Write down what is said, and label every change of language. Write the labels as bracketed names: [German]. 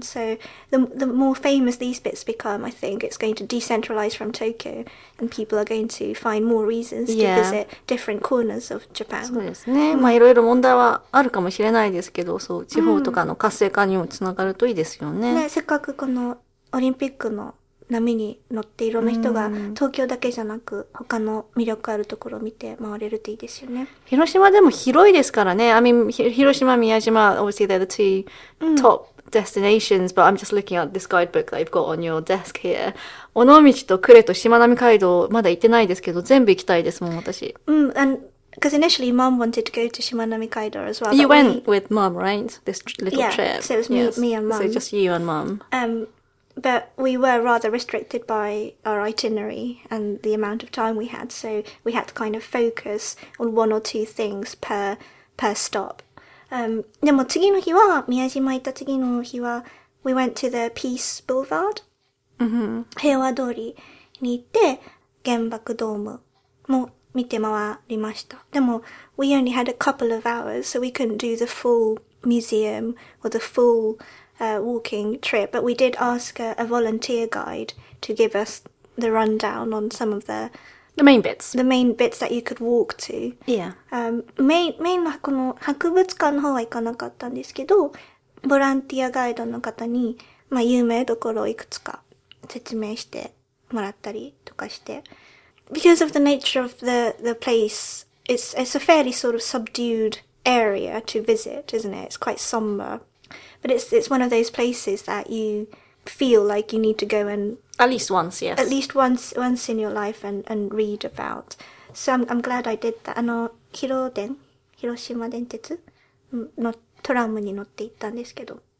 [English] So the more famous these bits become, I think it's going to decentralize from Tokyo, and people are going to find more reasons to visit different corners of Japan. [Japanese] そうですね。まあいろいろ問題はあるかもしれないですけど、そう地方とかの活性化にもつながるといいですよね。ね、せっかくこのオリンピックの波に乗っていろんな人が東京だけじゃなく他の魅力あるところを見て回れるといいですよね。広島でも広いですからね。 [English] I mean, 広島、宮島、obviously they're the two top destinations, but I'm just looking at this guidebook that you've got on your desk here. [Japanese] 尾道と呉と島並海道、まだ行ってないですけど、全部行きたいですもん、私。 [English] うん、because initially mom wanted to go to 島並海道 as well. You went with mom, right? This little trip. Yeah, so it was me and mom. So just you and mom. But we were rather restricted by our itinerary and the amount of time we had, so we had to kind of focus on one or two things per stop. [Japanese] でも次の日は、宮島行った次の日は、 [English] we went to the Peace Boulevard,、 mm-hmm. [Japanese] 平和通りに行って、原爆ドームも見て回りました。 [English] でも、we only had a couple of hours, so we couldn't do the full museum or the fullwalking trip, but we did ask a volunteer guide to give us the rundown on some of the main bits. The main bits that you could walk to. Yeah. [Japanese] メインのこの博物館の方は行かなかったんですけど、ボランティアガイドの方に、まあ有名どころをいくつか説明してもらったりとかして。 [English] Because of the nature of the place, it's a fairly sort of subdued area to visit, isn't it? It's quite somber. But it's one of those places that you feel like you need to go and... At least once, yes. At least once in your life and read about. So I'm glad I did that. [Japanese] 広島電鉄のトラムに乗って行ったんですけど。